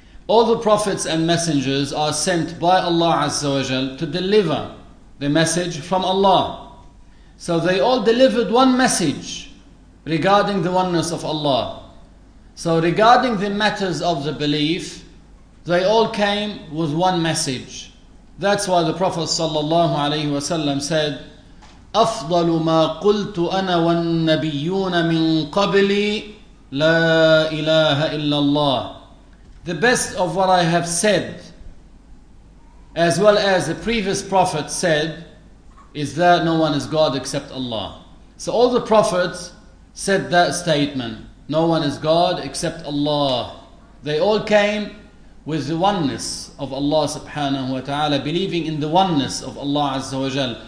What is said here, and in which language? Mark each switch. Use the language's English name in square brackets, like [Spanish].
[English] All the prophets and messengers are sent by Allah Azza wa Jal to deliver the message from Allah. So they all delivered one message regarding the oneness of Allah. So regarding the matters of the belief, they all came with one message. That's why the Prophet sallallahu alaihi wasallam said, [Arabic] أَفْضَلُ مَا قُلْتُ أَنَا وَالنَّبِيُّونَ مِنْ قَبْلِي لَا إِلَهَ إِلَّا اللَّهِ. [English] The best of what I have said, as well as the previous Prophet said, is that no one is God except Allah. So all the Prophets said that statement, no one is God except Allah. They all came with the oneness of Allah subhanahu wa ta'ala, believing in the oneness of Allah azza wa jal.